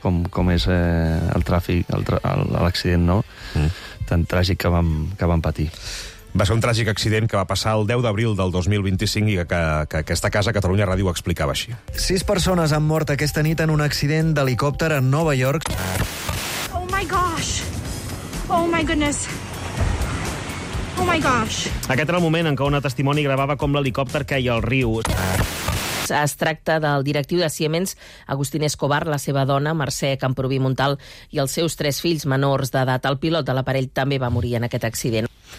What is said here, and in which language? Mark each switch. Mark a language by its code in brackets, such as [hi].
[ca] com és el tràfic, l'accident, no? Tan tràgic que vam patir. Va ser un tràgic accident que va passar el 10 d'abril del 2025 i que aquesta casa, Catalunya Ràdio, explicava així. 6 persones han mort aquesta nit en un accident d'helicòpter a Nova York. [en] Oh my gosh! Oh my goodness! Oh my gosh! [ca] Aquest era el moment en què una testimoni gravava com l'helicòpter caia al riu. Es tracta del directiu de Siemens, Agustín Escobar, la seva dona, Mercè Camproví Montal, i els seus 3 fills menors d'edat. El pilot de l'aparell també va morir en aquest accident.